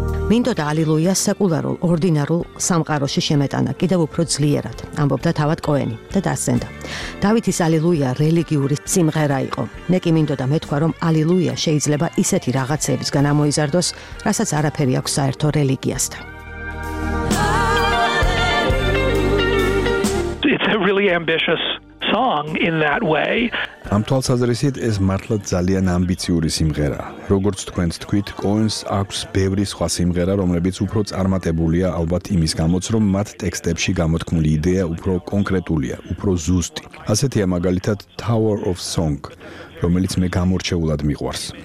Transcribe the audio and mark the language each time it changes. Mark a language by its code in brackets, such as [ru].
[ka] მინდოდა ალილუია სეკულარულ, ორდინარულ სამყაროში შემეტანა, კიდევ უფრო ძლიერად, ამბობდა თავად კოენი და დასცენდა. დავითის ალილუია რელიგიური სიმღერა იყო. მე კი მინდოდა მეთქვა, რომ ალილუია შეიძლება ისეთი რაღაცეებისგან ამოიზარდოს, რასაც არაფერი აქვს საერთო რელიგიასთან. [en] It's a really ambitious song in that way. [ka] ამ თვალსაზრისით ეს მართლა ძალიან ამბიციური სიმღერაა. როგორც თქვენც თქვით, კოენს აქვს ბევრი სხვა სიმღერა, რომლებიც უფრო წარმატებულია ალბათ იმის გამოც, რომ მათ ტექსტებში გამოთქმული იდეა უფრო კონკრეტულია, უფრო ზუსტი. ასეთია მაგალითად Tower of Song, რომელიც მე გამორჩეულად მიყვარს.